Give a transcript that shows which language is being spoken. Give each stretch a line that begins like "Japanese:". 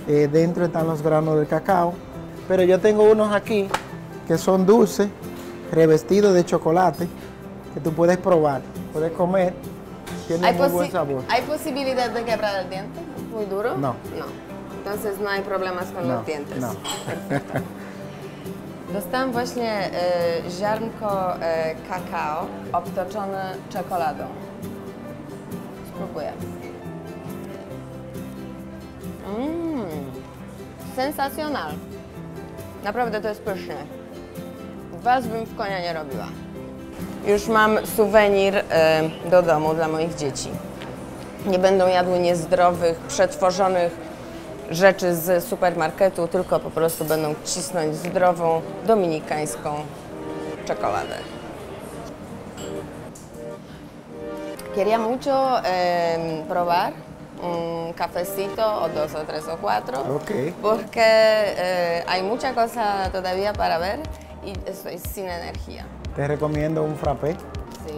Spanish: Dentro están los granos del cacao. Pero yo tengo unos aquí que son dulces, revestidos de chocolate, que tú puedes probar, puedes comer. tiene muy buen sabor. ¿Hay posibilidad de quebrar el diente? ¿Muy duro? No. No. Entonces no hay problemas con los dientes. No.
Polish: Dostałam właśnie ziarnko kakao obtoczone czekoladą. Spróbuję. Sensacjonal. Naprawdę to jest pyszne. Was bym w konia nie robiła. Już mam suwenir do domu dla moich dzieci. Nie będą jadły niezdrowych, przetworzonych rzeczy z supermarketu, tylko po prostu będą cisnąć zdrową, dominikańską czekoladę.
Spanish: Queríamos mucho probar un cafecito o dos o tres o cuatro.
English: Okay.
Spanish: Porque hay mucha cosa todavía para ver y estoy sin energía. Te recomiendo un frappé. Sí.